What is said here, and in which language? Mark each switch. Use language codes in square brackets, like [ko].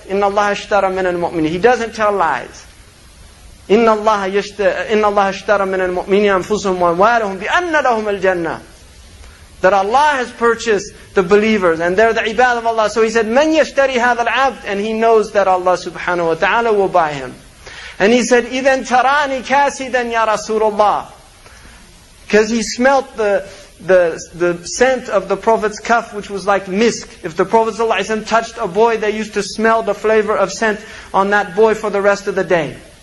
[ar] إِنَّ اللَّهَ اشْتَرَى مِنَ الْمُؤْمِنِينَ. [en] He doesn't tell lies. [ar] إِنَّ اللَّهَ اشْتَرَى مِنَ الْمُؤْمِنِينَ أَنفُسُهُمْ وَأَمْوَالَهُمْ بِأَنَّ لَهُمُ الْجَنَّةِ. [en] That Allah has purchased the believers, and they're the ibad of Allah. So he said, [ar] مَنْ يَشْتَرِي هَذَا الْعَبْدِ. [en] And he knows that Allah subhanahu wa ta'ala will buy him. And he said, [ar] إِذَنْ تَرَانِي كَاسِدًا يَا رَسُولُ اللَّهِ. [en] Because he smelt the scent of the Prophet's cuff, which was like misk. If the Prophet ﷺ touched a boy, they used to smell the flavor of scent on that boy for the rest of the day.